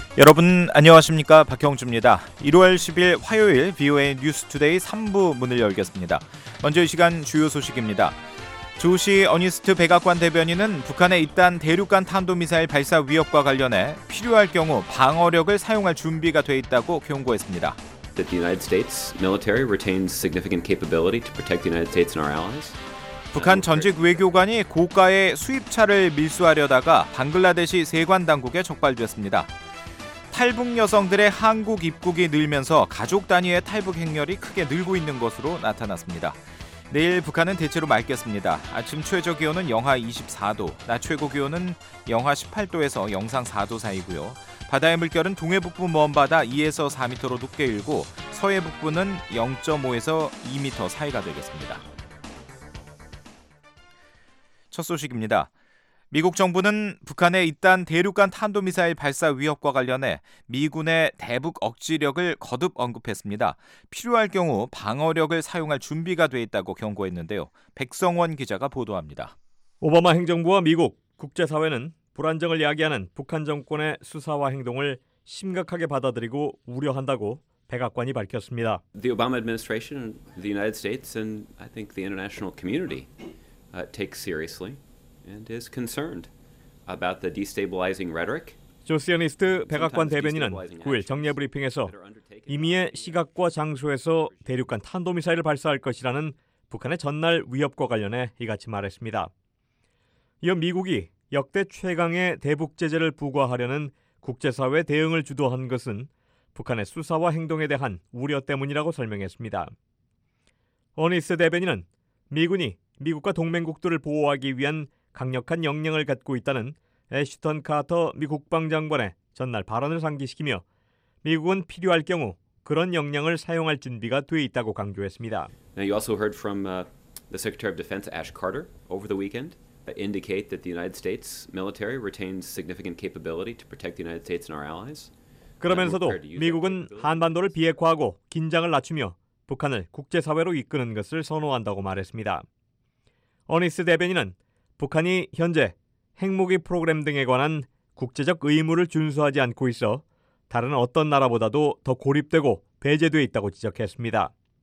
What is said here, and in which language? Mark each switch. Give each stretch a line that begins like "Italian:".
Korean: 여러분 안녕하십니까? 박형주입니다. 1월 10일 화요일 VOA News Today 3부 문을 열겠습니다. 먼저 이 시간 주요 소식입니다. 조시 어니스트 백악관 대변인은 북한의 잇단 대륙간 탄도미사일 발사 위협과 관련해 필요할 경우 방어력을 사용할 준비가 돼 있다고 경고했습니다.
English: That the United States military retains significant capability to protect the United States and our allies.
Korean: 북한 전직 외교관이 고가의 수입차를 밀수하려다가 방글라데시 세관 당국에 적발됐습니다. 탈북 여성들의 한국 입국이 늘면서 가족 단위의 탈북 행렬이 크게 늘고 있는 것으로 나타났습니다. 내일 북한은 대체로 맑겠습니다. 아침 최저 기온은 영하 24도, 낮 최고 기온은 영하 18도에서 영상 4도 사이고요. 바다의 물결은 동해 북부 먼바다 2에서 4m로 높게 일고 서해 북부는 0.5에서 2m 사이가 되겠습니다. 첫 소식입니다. 미국 정부는 북한의 잇단 대륙간 탄도미사일 발사 위협과 관련해 미군의 대북 억지력을 거듭 언급했습니다. 필요할 경우 방어력을 사용할 준비가 돼 있다고 경고했는데요. 백성원 기자가 보도합니다. 오바마 행정부와 미국, 국제사회는 불안정을 야기하는 북한 정권의 수사와 행동을 심각하게 받아들이고 우려한다고 백악관이 밝혔습니다.
English: The Obama administration, the United States, and I think the international community take seriously. And is concerned about the destabilizing rhetoric.
Korean: 조시 어니스트 백악관 대변인은 9일 정례 브리핑에서 임의의 시각과 장소에서 대륙간 탄도미사일을 발사할 것이라는 북한의 전날 위협과 관련해 이같이 말했습니다. 이어 미국이 역대 최강의 대북 제재를 부과하려는 국제사회 대응을 주도한 것은 북한의 수사와 행동에 대한 우려 때문이라고 설명했습니다. 어니스트 대변인은 미군이 미국과 동맹국들을 보호하기 위한 강력한 역량을 갖고 있다는 애쉬턴 카터 미 국방장관의 전날 발언을 상기시키며 미국은 필요할 경우 그런 역량을 사용할 준비가 돼 있다고 강조했습니다.
English: Now you also heard from the Secretary of Defense Ash Carter over the weekend indicate that the United States military retains significant capability to protect the United States and our allies.
Korean: 그러면서도 미국은 한반도를 비핵화하고 긴장을 낮추며 북한을 국제사회로 이끄는 것을 선호한다고 말했습니다. 어니스 대변인은 북한이 현재 핵무기 프로그램 등에 관한 국제적 의무를 준수하지 않고 있어 다른 어떤 나라보다도 더 고립되고 배제돼 있다고 지적했습니다.